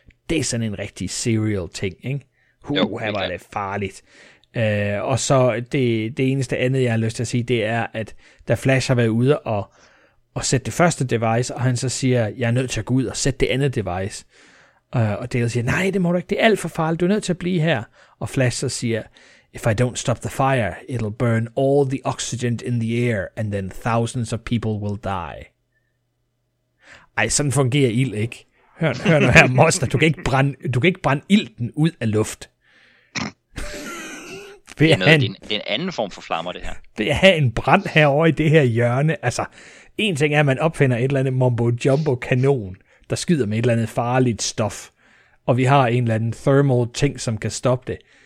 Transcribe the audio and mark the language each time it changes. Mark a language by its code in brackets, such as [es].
[da] Det er sådan en rigtig serial ting, ikke? Her var det farligt. Og så det eneste andet, jeg har lyst til at sige, det er, at da Flash har været ude og sætte det første device, og han så siger, jeg er nødt til at gå ud og sætte det andet device. Og Dale siger, nej, det må du ikke, det er alt for farligt, du er nødt til at blive her. [en] Og Flash så siger, if I don't stop the fire, it'll burn all the oxygen in the air, and then thousands of people will die. [da] Ej, sådan fungerer ild, ikke? Hør nu her, monster, du kan ikke brænde ilden ud af luft. Det er en anden form for flammer, det her. Ved at have en brand herovre i det her hjørne, altså, en ting er, at man opfinder et eller andet mumbo-jumbo-kanon, der skyder med et eller andet farligt stof, og vi har en eller anden thermal ting, som kan stoppe det.